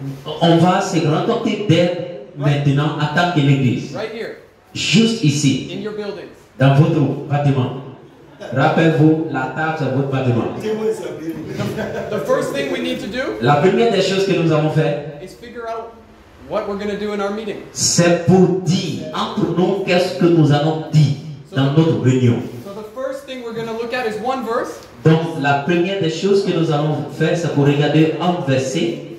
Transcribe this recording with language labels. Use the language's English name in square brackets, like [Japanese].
[French] On va se rencontrer dès maintenant en tant que l'Église. [English] Right here. [French] Juste ici. [English] In your buildings. [French] Dans votre bâtiment. Rappelez-vous, la table c'est votre bâtiment. [English] The first thing we need to do, [French] la première des choses que nous avons fait, [English] is figure out what we're going to do in our meeting. [French] C'est pour dire entre nous qu'est-ce que nous allons dire dans notre réunion. [English] So the first thing we're going to look at is one verse. [French] Donc la première des choses que nous allons faire, c'est pour regarder un verset.